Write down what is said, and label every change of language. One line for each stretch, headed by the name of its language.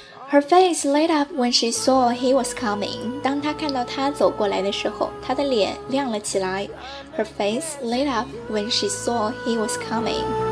English: Her face lit up when she saw he was coming.
Chinese: 当她看到他走过来的时候，她的脸亮了起来。
English: Her face lit up when she saw he was coming.